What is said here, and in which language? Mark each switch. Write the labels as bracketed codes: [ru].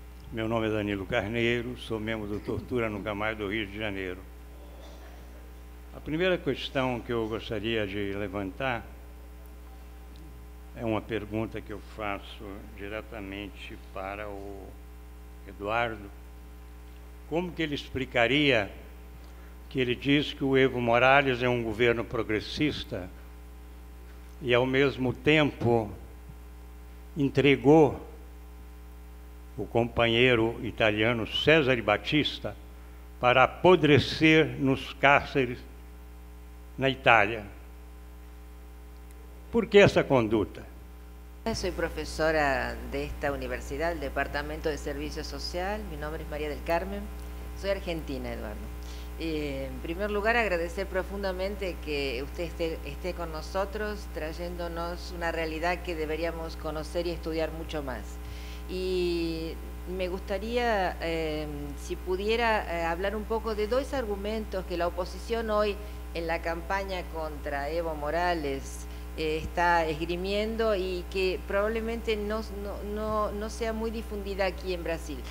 [es] Mi nombre es Danilo Carneiro, soy miembro de Tortura Nunca Más del Río de Janeiro. La primera cuestión que yo gustaría de levantar es una pregunta que yo [pt] faço [es] directamente [pt] para o [es] Eduardo. [pt] Como que ele explicaria que ele diz que o Evo Morales é um governo progressista e, ao mesmo tempo, entregou o companheiro italiano César Batista para apodrecer nos cárceres na Itália. Por que essa conduta? Eu sou professora desta universidade, do Departamento de Serviço Social. Meu nome é Maria del Carmen. Sou argentina, Eduardo. [es] En primer lugar, agradecer profundamente que usted esté con nosotros, trayéndonos una realidad que deberíamos conocer y estudiar mucho más. Y me gustaría, si pudiera, hablar un poco de dos argumentos que la oposición hoy en la campaña contra Evo Morales está esgrimiendo y que probablemente no sea muy difundida aquí en Brasil.